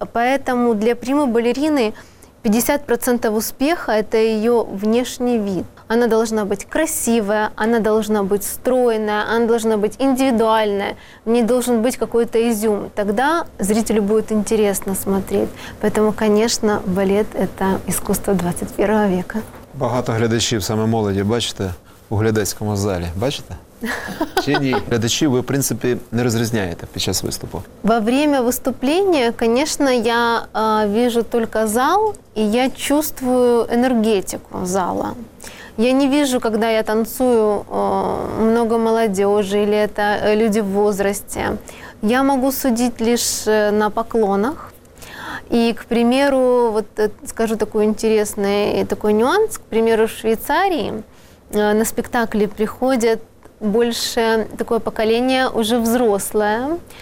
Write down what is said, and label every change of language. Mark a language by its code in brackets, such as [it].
[ru] Поэтому для прима-балерины 50% успеха – это ее внешний вид. Она должна быть красивая, она должна быть стройная, она должна быть индивидуальная, в ней должен быть какой-то изюм. Тогда зрителю будет интересно смотреть. Поэтому, конечно, балет – это искусство 21 века. [uk] Багато глядачів, саме молоді, бачите? У глядацькому залі. Бачите? Чи ні? Глядачів ви, в принципі, не розрізняєте під час виступу. [ru] Во время выступления, конечно, я вижу только зал, и я чувствую энергетику зала. Я не вижу, когда я танцую, много молодежи или это люди в возрасте. Я могу судить лишь на поклонах. И, к примеру, вот скажу такой интересный такой нюанс. К примеру, в Швейцарии на спектакли приходит больше такое поколение уже взрослое.